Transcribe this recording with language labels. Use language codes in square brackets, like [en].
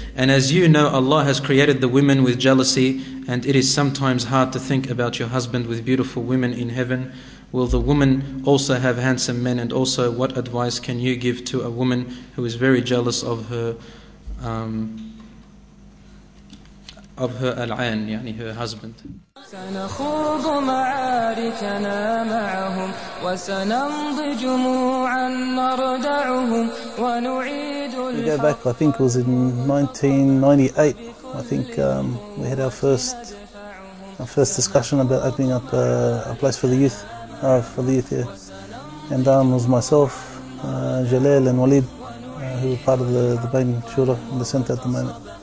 [en] And as you know, Allah has created the women with jealousy, and it is sometimes hard to think about your husband with beautiful women in heaven. Will the woman also have handsome men? And also, what advice can you give to a woman who is very jealous of her al-Ayn, yani her husband? [ar] سنخوض معاركنا معهم وسنمضي جموعا نردعهم ونعيد الحق. [en] We go back, I think it was in 1998, I think we had our first discussion about opening up a place for the youth here. And it was myself, Jalil and Walid, who were part of the Bain Shura in the centre at the moment.